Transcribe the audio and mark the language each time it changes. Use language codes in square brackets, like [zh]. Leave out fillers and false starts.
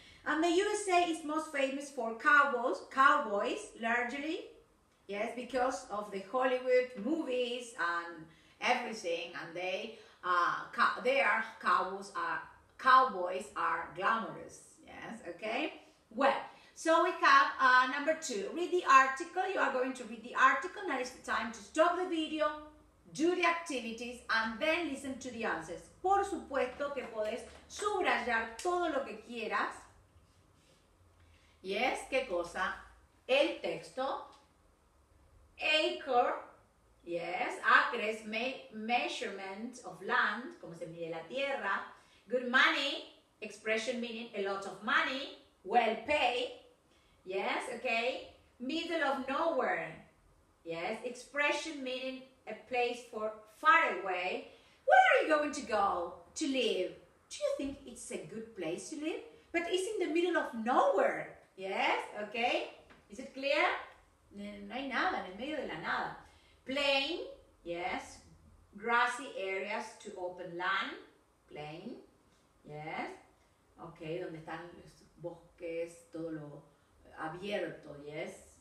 [en] And the USA is most famous for cowboys largely, yes, because of the Hollywood movies and everything, and cowboys are glamorous, yes, okay? Well, so we have number two, read the article. You are going to read the article. Now is the time to stop the video, do the activities, and then listen to the answers. [es] Por supuesto que podés subrayar todo lo que quieras. Yes, ¿qué cosa? El texto. Acre. [en] Yes, acres, measurement of land, [es] como se mide la tierra. [en] Good money, expression meaning a lot of money. Well paid. Yes, okay. Middle of nowhere. Yes, expression meaning a place for far away. Where are you going to go to live? Do you think it's a good place to live? But it's in the middle of nowhere. Yes, okay. Is it clear? [es] No hay nada, en el medio de la nada. [en] Plain, yes. Grassy areas to open land. Plain, yes. [es] Okay, donde están los bosques, todo lo abierto, yes.